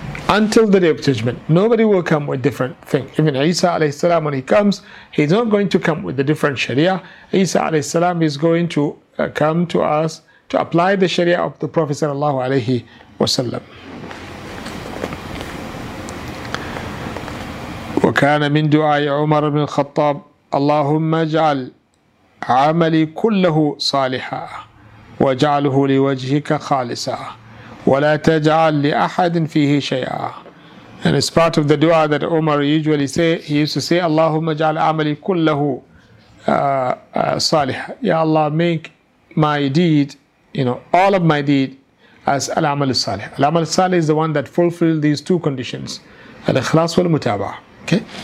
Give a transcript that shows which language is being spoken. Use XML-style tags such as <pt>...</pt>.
<en>Until the day of judgment, nobody will come with different thing. Even Isa alayhi salam, when he comes, he's not going to come with a different Sharia. Isa alayhi salam is going to come to us to apply the Sharia of the Prophet sallallahu alayhi wasallam.</en> <ar>وكان من دعاء عمر بن الخطاب اللهم اجعل عملي كله صالحا واجعله لوجهك خالصا ولا تجعل لأحد فيه شيئا.</ar> <en>And it's part of the dua that Umar usually say. He used to say,</en> <ar>Allahumma ja'al amali kullahu salih.</ar> <en>Ya Allah, make my deed, you know, all of my deed as al-amal salih. Al-amal salih is the one that fulfills these two conditions, al-ikhlas wal-mutaba'ah. Okay?</en>